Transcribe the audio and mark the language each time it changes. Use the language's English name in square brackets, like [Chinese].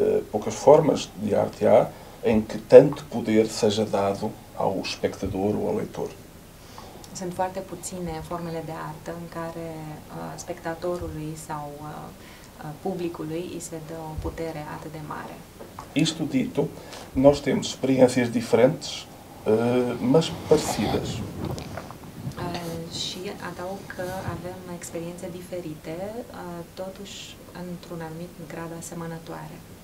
[Portuguese] Poucas formas de arte há em que tanto poder seja dado ao espectador ou ao leitor. [Romanian] Sunt foarte puține formele de artă în care spectatorului sau publicului îi se dă o putere atât de mare. [Portuguese] Isto dito, nós temos experiências diferentes, mas parecidas. [Romanian] Și adaug că avem experiențe diferite, totuși într-un anumit grad asemănătoare.